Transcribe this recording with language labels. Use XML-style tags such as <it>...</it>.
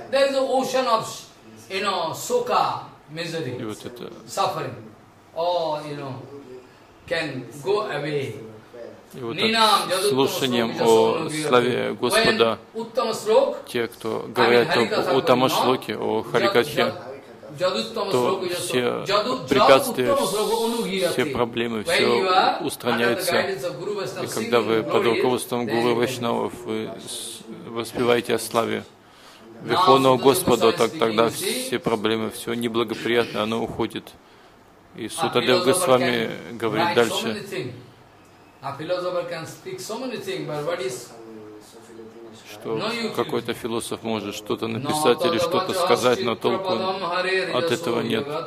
<en>There is an ocean of, you know, soka, misery, suffering. All, you know, can go away.</en> <ru>Ninam, слушанием о славе Господа, те, кто говорят о Уттама Шлоке, о Харикатхе, то все препятствия, все проблемы, все устраняется. И когда вы под руководством Гуру Вайшнавов воспеваете о славе Верховного Господа, так тогда все проблемы, все неблагоприятное, оно уходит. И Сутадев Госвами говорит дальше.</ru> <en>A philosopher can speak so many things, but what is</en> <ru>что какой-то философ может что-то написать или что-то сказать, но толку от этого нет.</ru>